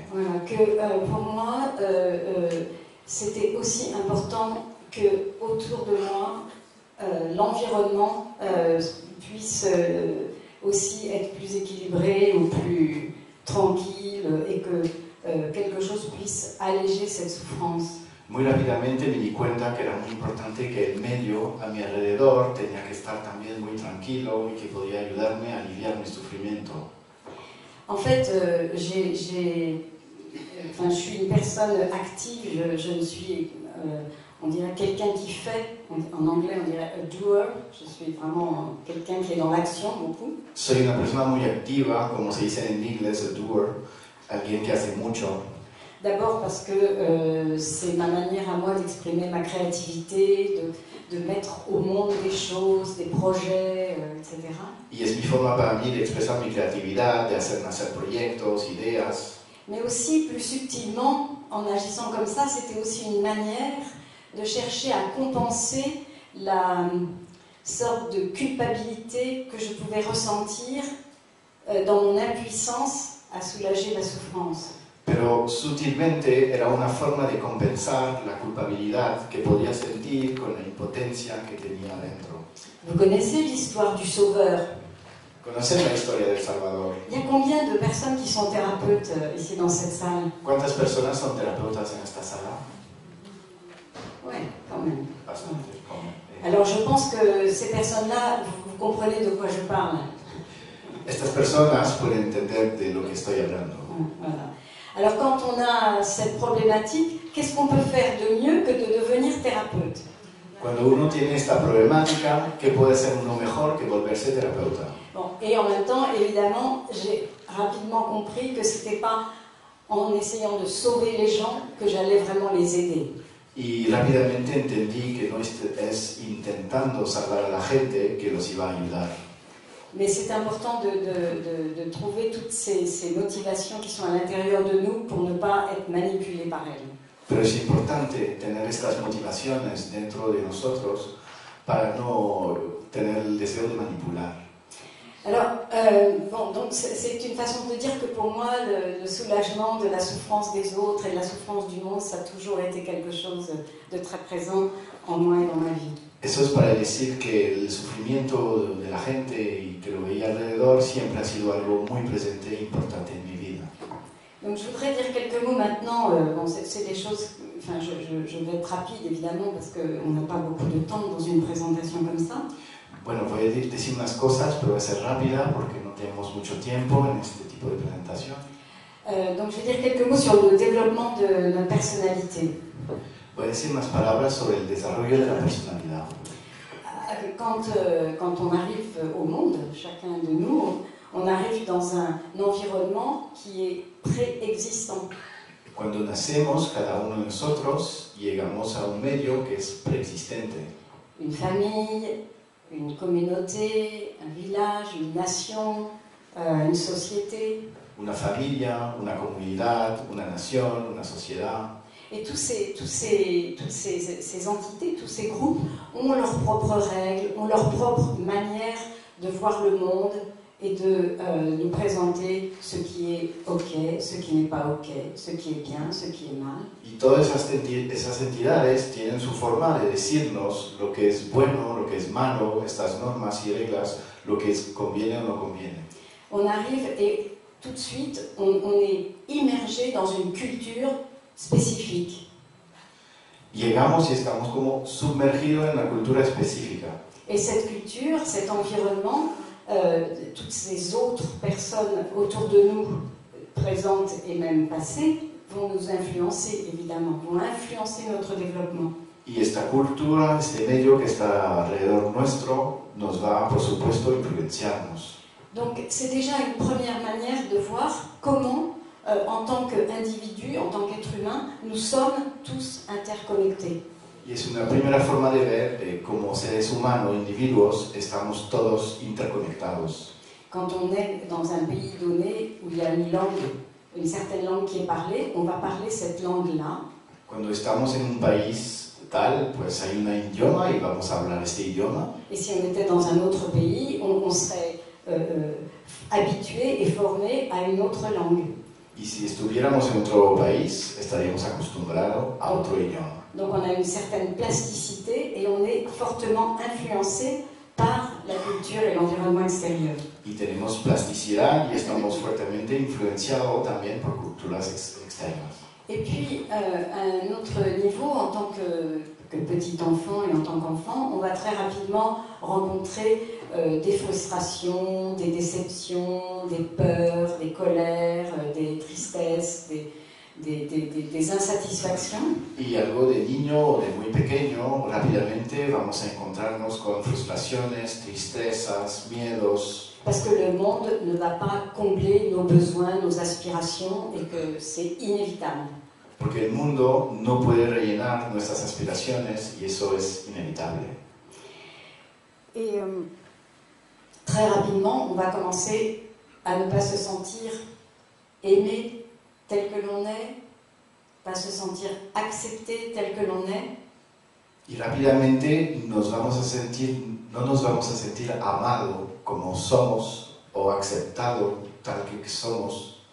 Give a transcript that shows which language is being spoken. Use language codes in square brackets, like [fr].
[fr] Voilà, que pour moi, c'était aussi important que autour de moi, l'environnement puisse aussi être plus équilibré ou plus tranquille et que quelque chose puisse alléger cette souffrance. [es] Muy rápidamente me di cuenta que era muy importante que el medio a mi alrededor tenía que estar también muy tranquilo y que podía ayudarme a aliviar mi sufrimiento. [fr] En fait, je suis une personne active, je ne suis on dirait quelqu'un qui fait, en anglais on dirait [en] a doer, [fr] je suis vraiment quelqu'un qui est dans l'action beaucoup. [es] Soy una persona muy activa, como se dice en inglés, [en] a doer, [es] alguien que hace mucho. [fr] D'abord parce que c'est ma manière à moi d'exprimer ma créativité, de mettre au monde des choses, des projets, etc. [es] Y es mi forma para mí de expresar mi creatividad, de hacer nacer proyectos, ideas. [fr] Mais aussi, plus subtilement, en agissant comme ça, c'était aussi une manière de chercher à compenser la sorte de culpabilité que je pouvais ressentir dans mon impuissance à soulager la souffrance. [es] Pero sutilmente era una forma de compensar la culpabilidad que podía sentir con la impotencia que tenía dentro. [fr] Vous connaissez l'histoire du sauveur? [es] Conocen la historia del Salvador. [fr] Il y a combien de personnes qui sont thérapeutes ici dans cette salle? [es] ¿Cuántas personas son terapeutas en esta sala? [fr] Ouais, quand même. [es] Bastante. [fr] Alors je pense que ces personnes-là, vous comprenez de quoi je parle. [es] Estas personas pueden entender de lo que estoy hablando. [fr] Alors quand on a cette problématique, qu'est-ce qu'on peut faire de mieux que de devenir thérapeute? [es] Cuando uno tiene esta problemática, ¿qué puede ser uno mejor que volverse terapeuta? [fr] Bon, et en même temps, évidemment, j'ai rapidement compris que c'était pas en essayant de sauver les gens que j'allais vraiment les aider. [es] Y rápidamente entendí que no es intentando salvar a la gente que los iba a ayudar. [fr] Mais c'est important de trouver toutes ces motivations qui sont à l'intérieur de nous pour ne pas être manipulés par elles. [es] Pero es importante tener estas motivaciones dentro de nosotros para no tener el deseo de manipular. [fr] Alors, bon, donc c'est une façon de dire que pour moi, le soulagement de la souffrance des autres et de la souffrance du monde, ça a toujours été quelque chose de très présent en moi et dans ma vie. [es] Eso es para decir que el sufrimiento de la gente y que lo veía alrededor siempre ha sido algo muy presente e importante en mi vida. [fr] Donc je voudrais dire quelques mots maintenant. Bon, c'est des choses. Enfin, je vais être rapide évidemment parce qu'on n'a pas beaucoup de temps dans une présentation comme ça. [es] Bueno, voy a decir unas cosas, pero voy a ser rápida porque no tenemos mucho tiempo en este tipo de presentación. [fr] Donc je vais dire quelques mots sur le développement de la personnalité. [es] Voy a decir unas palabras sobre el desarrollo de la personalidad. [fr] Quand on arrive au monde, chacun de nous, on arrive dans un environnement qui est préexistant. [es] Cuando nacemos, cada uno de nosotros llegamos a un medio que es preexistente. [fr] Une famille, une communauté, un village, une nation, une société. [es] Una familia, una comunidad, una nación, una sociedad. [fr] Et toutes ces entités, tous ces groupes ont leurs propres règles, ont leur propre manière de voir le monde et de nous présenter ce qui est ok, ce qui n'est pas ok, ce qui est bien, ce qui est mal. [es] Y todas esas entidades tienen su forma de decirnos lo que es bueno, lo que es malo, estas normas y reglas, lo que conviene o no conviene. [fr] On arrive et tout de suite on est immergé dans une culture spécifique. [es] Llegamos y estamos como sumergidos en la cultura específica. [fr] Et cette culture, cet environnement, toutes ces autres personnes autour de nous, présentes et même passées, vont nous influencer évidemment, vont influencer notre développement. [es] Y esta cultura, este medio que está alrededor nuestro, nos va por supuesto influenciarnos. [fr] Donc c'est déjà une première manière de voir comment en tant qu'individu, en tant qu'être humain, nous sommes tous interconnectés. [es] Y es una primera forma de ver de cómo seres humanos, individuos, estamos todos interconectados. [fr] Quand on est dans un pays donné où il y a une langue, une certaine langue qui est parlée, on va parler cette langue-là. [es] Cuando estamos en un país tal, pues hay un idioma y vamos a hablar este idioma. [fr] Et si on était dans un autre pays, on serait habitué et formé à une autre langue. [es] Y si estuviéramos en otro país, estaríamos acostumbrados a otro idioma. [fr] Donc on a une certaine plasticité et on est fortement influencé par la culture et l'environnement extérieur. [es] Y tenemos plasticidad y estamos fuertemente influenciados también por culturas externas. [fr] Et puis, à un autre niveau, en tant que petit enfant et en tant qu'enfant, on va très rapidement rencontrer des frustrations, des déceptions, des peurs, des colères, des tristesses, des, des insatisfactions. [es] Y algo de niño o de muy pequeño, rápidamente vamos a encontrarnos con frustraciones, tristezas, miedos. [fr] Parce que le monde ne va pas combler nos besoins, nos aspirations, et que c'est inévitable. [es] Porque el mundo no puede rellenar nuestras aspiraciones y eso es inevitable. [fr] Et très rapidement, on va commencer à ne pas se sentir aimé tel que l'on est, pas se sentir accepté tel que l'on est. [es] Y rápidamente no nos vamos a sentir amado como somos o aceptado tal que somos.